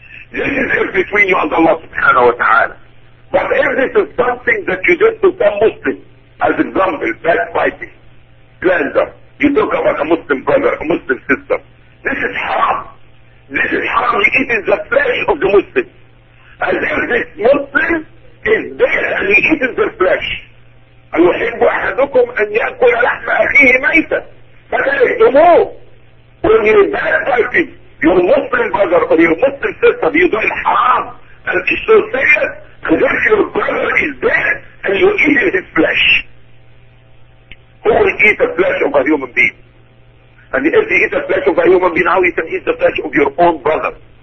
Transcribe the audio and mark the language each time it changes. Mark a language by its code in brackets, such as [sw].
[en] This is in between you and Allah subhanahu wa ta'ala. But if this is something that you did to some Muslim, as example, backbiting, slander, you talk about a Muslim brother, a Muslim sister, this is haram. This is haram. You eat in the flesh of the Muslim. As if this Muslim is dead and he eats the flesh. [ar] أَيُحِبُّ أَحَدُكُمْ أَنْ يَأْكُلَ لَحْمَ أَخِيهِ مَيْتًا. [en] But I know, when you're backbiting your Muslim brother or your Muslim sister, you're doing haram. And it's so serious, as if your brother is dead and you're eating his flesh. Who will eat the flesh of a human being? And if you eat the flesh of a human being, how you can eat the flesh of your own brother?